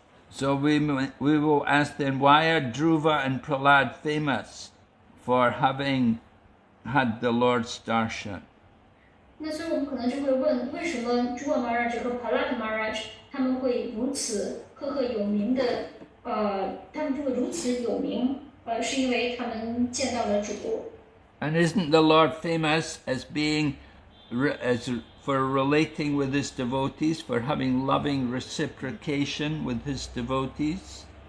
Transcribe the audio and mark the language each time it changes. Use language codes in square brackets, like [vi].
[en] So we will ask then, why are Dhruva and Prahlad famous for having had the Lord's darshan? [zh] 那所以我们可能就会问，为什么诸葛玛拉智和帕拉特玛拉智他们会如此赫赫有名的，他们就会如此有名，是因为他们见到了主。 [en] And isn't the Lord famous as being, for relating with his devotees, for having loving reciprocation with his devotees?